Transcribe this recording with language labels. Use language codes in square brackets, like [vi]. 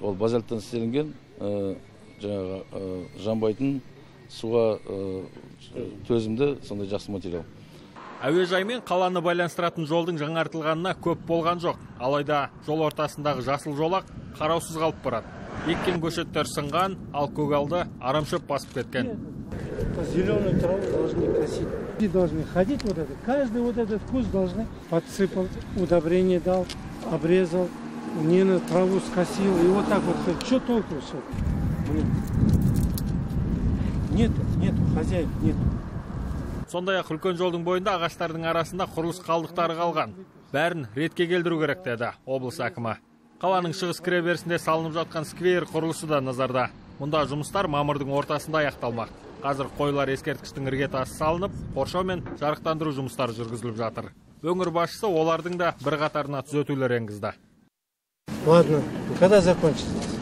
[kk] Ол базальттан істелінген, жанбайтын, суға төзімді, сондай жақсы материал. Әуежаймен қаланы байланыстыратын жолдың жаңартылғанына көп болған жоқ. Алайда жол ортасындағы жасыл жолақ қараусыз қалып барады. Еккен көшеттер сынған, ал көгалды арамшөп басып кеткен. [ru] Зеленый траву должны косить. И должны ходить вот это. Каждый вот этот куст должны подсыпал, удобрение дал, обрезал, не на траву скосил. И вот так вот. Что толку все? Нет, хозяев нет. [kk] Сондай-ақ үлкен жолдың бойында ағаштардың арасында құрылыс қалдықтары қалған. Бәрін ретке келдіру керек деді облыс әкімі. Қаланың шығыс кіреберісінде салынып жатқан сквер құрылысы да назарда. Мұнда жұмыстар мамырдың ортасында аяқталмақ. Қазір қойлар ескерткіштің іргетасы салынып, қоршау мен жарықтандыру жұмыстары жүргізіліп жатыр. Өңір басшысы олардың да бір қатарына түзетулер енгізді. [ru] Ладно, когда закончится?